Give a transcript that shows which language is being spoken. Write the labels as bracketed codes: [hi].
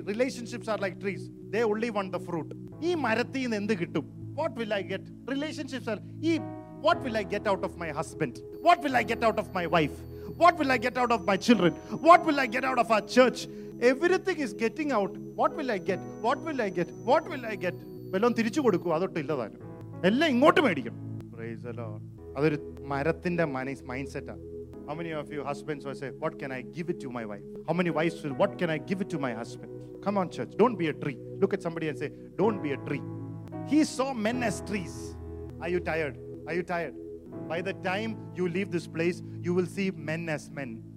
[en] Relationships are like trees. They only want the fruit. [ml] Ee marathi endu kittum? [en] What will I get? Relationships are, what will I get out of my husband? What will I get out of my wife? What will I get out of my children? What will I get out of our church? Everything is getting out. What will I get? What will I get? What will I get? [ml] വല്ലതും തിരിച്ചു കൊടുക്കുക, അതൊട്ടും ഇല്ലതാനും എല്ലാം ഇങ്ങോട്ട് മേടിക്കണം. [en] Praise the Lord. [ml] അതൊരു മരത്തിന്റെ mind set ആണ്. [en] How many of you husbands will say, what can I give it to my wife? How many wives will, what can I give it to my husband? Come on, church, don't be a tree. Look at somebody and say, don't be a tree. He saw men as trees. Are you tired? Are you tired? By the time you leave this place, you will see men as men.